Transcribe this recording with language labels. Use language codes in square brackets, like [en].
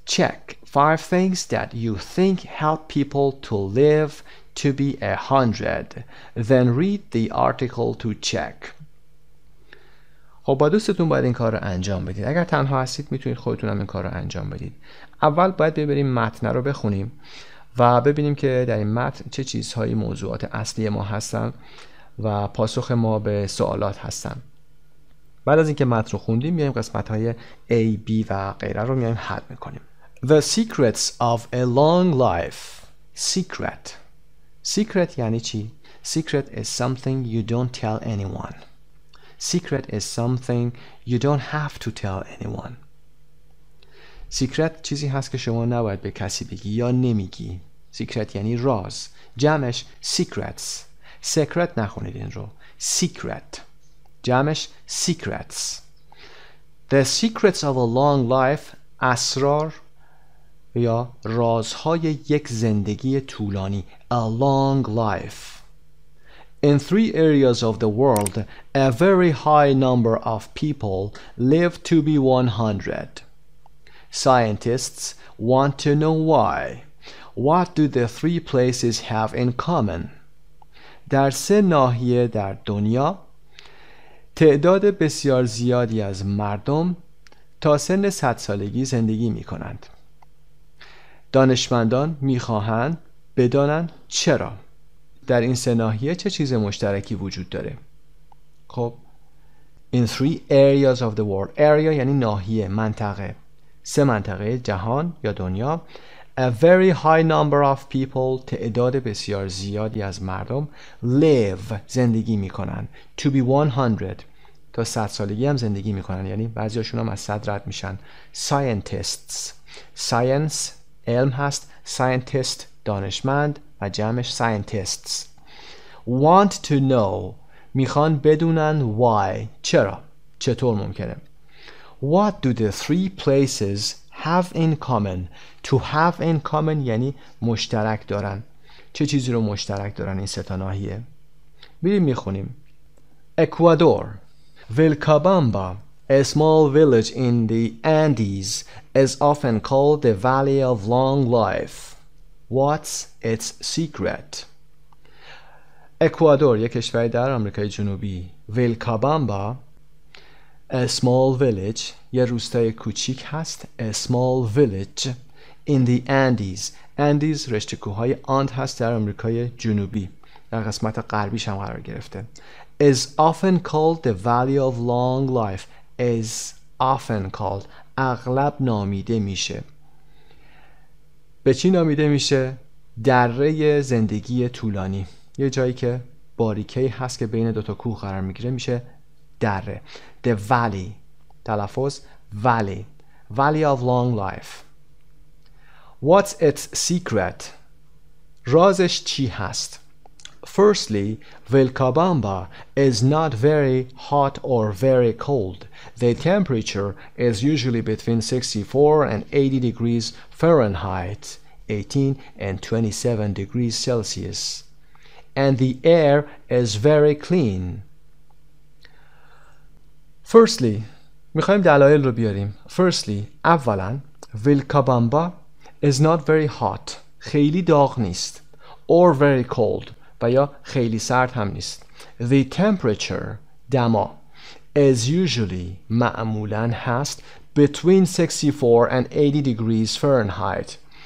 [en] Check 5 things that you think help people to live to be 100. Then read the article to check. [fa] خب با دوستتون باید این کار رو انجام بدید. اگر تنها هستید میتونید خودتون هم این کار رو انجام بدید. اول باید ببریم متن رو بخونیم و ببینیم که در این متن چه چیزهایی موضوعات اصلی ما هستن و پاسخ ما به سوالات هستن. بعد از اینکه متن رو خوندیم میایم قسمت‌های A B و غیره رو میایم حل میکنیم. [en] The secrets of a long life. [fa] Secret [en] Secret [fa] یعنی چی؟ [en] Secret is something you don't tell anyone. Secret is something you don't have to tell anyone. [fa] Secret چیزی هست که شما نباید به کسی بگی یا نمیگی. Secret یعنی راز. جمعش secrets. Secret نخونید این رو. Secret. [en] جمعش secrets. The secrets of a long life. [fa] اسرار یا رازهای یک زندگی طولانی. [en] A long life. In three areas of the world, a very high number of people live to be 100. Scientists want to know why. What do the three places have in common? [fa] در سه ناحیه در دنیا تعداد بسیار زیادی از مردم تا سن 100 سالگی زندگی می کنند. دانشمندان می خواهند بدانند چرا در این سه ناحیه چه چیز مشترکی وجود داره. [en] خب in three areas of the world. Area [fa] یعنی ناحیه، منطقه. سه منطقه جهان یا دنیا. [en] A very high number of people. [fa] تعداد بسیار زیادی از مردم. [en] Live [fa] زندگی می کنن. [en] To be 100. [fa] تا 100 سالگی هم زندگی می کنن. یعنی بعضی هاشون هم از 100 رد می شن. [en] Scientists. Science [fa] علم هست. Scientist دانشمند و جمعش scientists. [en] Want to know [fa] می خوان بدونن why. چرا. چطور ممکنه. [en] What do the three places have in common? To have in common [fa] یعنی مشترک دارن. چه چیزی رو مشترک دارن این سه تا ناحیه؟ بریم میخونیم. اکوادور. ویلکابامبا. [en] A small village in the Andes is often called the Valley of Long Life. What's its secret? [fa] اکوادور یک کشوری در آمریکای جنوبی. ویلکابامبا [en] A small village, [fa] یه روستای کوچیک هست. [en] A small village in the Andes. [fa] Andes رشته کوههای آند هست در آمریکای جنوبی. در قسمت غربیش هم قرار گرفته. [en] Is often called the Valley of Long Life. Is often called. [fa] اغلب نامیده میشه. به چی نامیده میشه؟ دره زندگی طولانی. یه جایی که باریکه هست که بین دوتا کوه قرار میگیره میشه دره. The valley. [en] تلفظ valley. Valley of long life. What's its secret? [fa] رازش چی هست؟ [en] Firstly, Vilcabamba is not very hot or very cold. The temperature is usually between 64 and 80 degrees Fahrenheit, 18 and 27 degrees Celsius. And the air is very clean. [fa] Firstly, میخواییم دلایل رو بیاریم. [en] Firstly, اولا Vilcabamba is not very hot. [fa] خیلی داغ نیست. [en] Or very cold. [fa] و یا خیلی سرد هم نیست. [en] The temperature, دما, is usually, [fa] معمولا هست, [en] between 64 and 80 degrees Fahrenheit.